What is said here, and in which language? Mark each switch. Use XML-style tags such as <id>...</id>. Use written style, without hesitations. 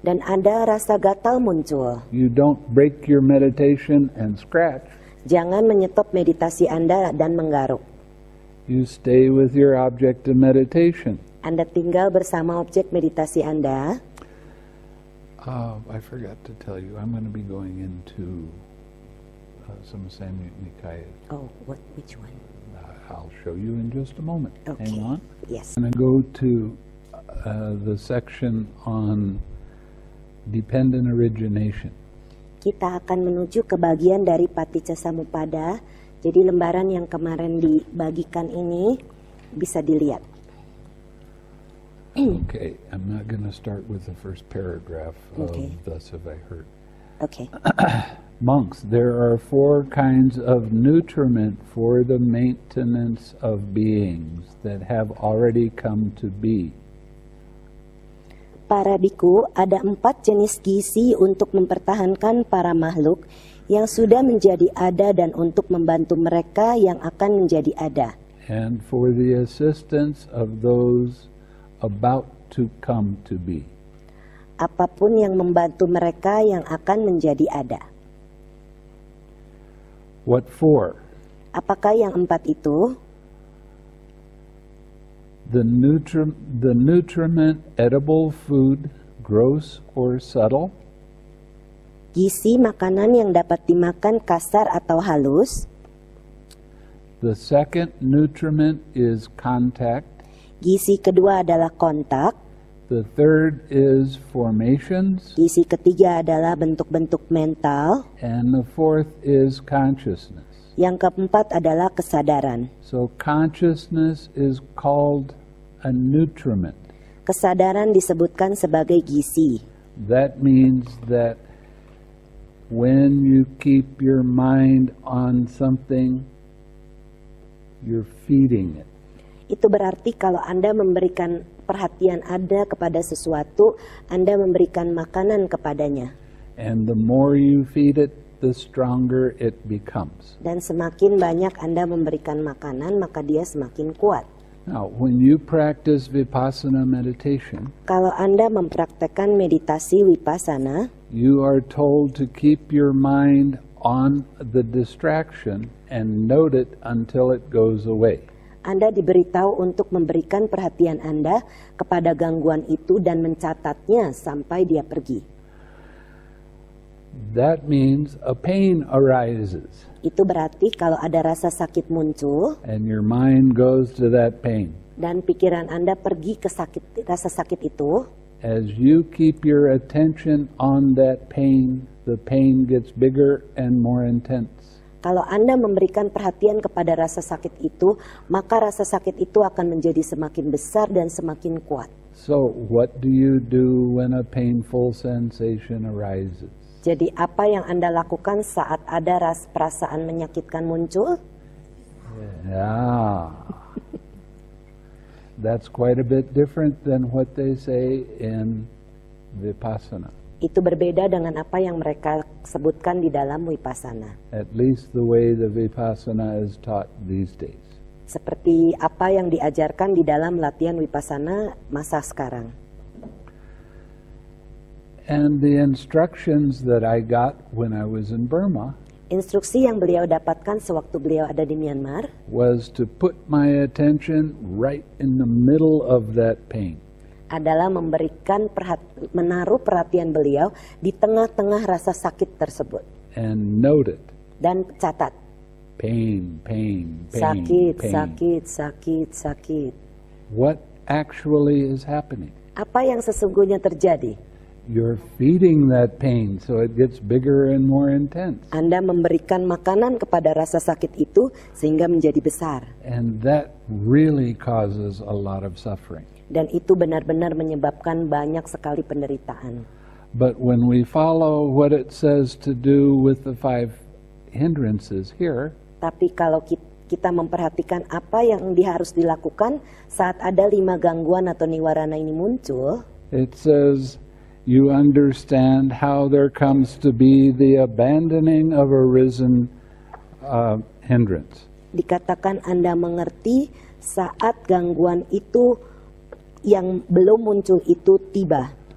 <id>dan ada rasa gatal muncul,</id> <en>you don't break your meditation and scratch.</en> <id>Jangan menyetop meditasi Anda dan menggaruk.</id> <en>You stay with your object of meditation.</en> <id>Anda tinggal bersama objek meditasi Anda.</id> <en>I forgot to tell you, I'm going to be going into some Samyutta Nikaya. Oh, what? Which one? I'll show you in just a moment. Okay. Hang on. Yes. I'm going to go to the section on dependent origination.</en> <id>Kita akan menuju ke bagian dari Paticcasamuppada. Jadi lembaran yang kemarin dibagikan ini bisa dilihat.</id> <en>Okay, I'm not going to start with the first paragraph of okay. Thus Have I Heard. Okay. Monks, there are 4 kinds of nutriment for the maintenance of beings that have already come to be.</en> <id>Para bhikkhu, ada 4 jenis gizi untuk mempertahankan para makhluk yang sudah menjadi ada dan untuk membantu mereka yang akan menjadi ada.</id> <en>And for the assistance of those about to come to be.</en> <id>Apapun yang membantu mereka yang akan menjadi ada.</id> <en>What for?</en> <id>Apakah yang 4 itu?</id> <en>The nutriment, edible food, gross or subtle.</en> <id>Gizi makanan yang dapat dimakan kasar atau halus.</id> <en>The second nutriment is contact.</en> <id>Gizi kedua adalah kontak.</id> <en>The third is formations.</en> <id>Gizi ketiga adalah bentuk-bentuk mental.</id> <en>And the fourth is consciousness.</en> <id>Yang keempat adalah kesadaran.</id> <en>So consciousness is called a nutriment.</en> <id>Kesadaran disebutkan sebagai gizi.</id> <en>That means that when you keep your mind on something, you're feeding it.</en> <id>Itu berarti kalau Anda memberikan perhatian Anda kepada sesuatu, Anda memberikan makanan kepadanya.</id> <en>And the more you feed it, the stronger it becomes.</en> <id>Dan semakin banyak Anda memberikan makanan, maka dia semakin kuat.</id> <en>Now, when you practice Vipassana meditation,</en> <id>kalau Anda mempraktekkan meditasi Vipassana,</id> <en>you are told to keep your mind on the distraction and note it until it goes away.</en> <id>Anda diberitahu untuk memberikan perhatian Anda kepada gangguan itu dan mencatatnya sampai dia pergi.</id> <en>That means a pain arises.</en> <id>Itu berarti kalau ada rasa sakit muncul,</id> <en>and your mind goes to that pain.</en> <id>Dan pikiran Anda pergi ke sakit, rasa sakit itu.</id> <en>As you keep your attention on that pain, the pain gets bigger and more intense.</en> <id>Kalau Anda memberikan perhatian kepada rasa sakit itu, maka rasa sakit itu akan menjadi semakin besar dan semakin kuat.</id> <en>So, what do you do when a painful sensation arises?</en> <id>Jadi apa yang Anda lakukan saat ada rasa perasaan menyakitkan muncul?</id> <en>Yeah. That's quite a bit different than what they say in Vipassana.</en> <id>Itu berbeda dengan apa yang mereka sebutkan di dalam Vipassana.</id> <en>At least the way the Vipassana is taught these days.</en> <id>Seperti apa yang diajarkan di dalam latihan Vipassana masa sekarang.</id> <en>And the instructions that I got when I was in Burma,</en> <id>instruksi yang beliau dapatkan sewaktu beliau ada di Myanmar,</id> <en>was to put my attention right in the middle of that pain.</en> <id>Adalah memberikan menaruh perhatian beliau di tengah-tengah rasa sakit tersebut.</id> <en>And note it.</en> <id>Dan catat.</id> <en>Pain, pain, pain.</en> <id>Sakit,</id> <en>pain.</en> <id>Sakit, sakit, sakit.</id> <en>What actually is happening?</en> <id>Apa yang sesungguhnya terjadi?</id> <en>You're feeding that pain so it gets bigger and more intense.</en> <id>Anda memberikan makanan kepada rasa sakit itu sehingga menjadi besar.</id> <en>And that really causes a lot of suffering.</en> <id>Dan itu benar-benar menyebabkan banyak sekali penderitaan.</id> <en>But when we follow what it says to do with the five hindrances here,</en> <id>tapi kalau kita memperhatikan apa yang harus dilakukan saat ada lima gangguan atau niwarana ini muncul,</id> <en>it says you understand how there comes to be the abandoning of arisen hindrance.</en> <id>Dikatakan Anda mengerti saat gangguan itu yang belum muncul itu tiba.</id>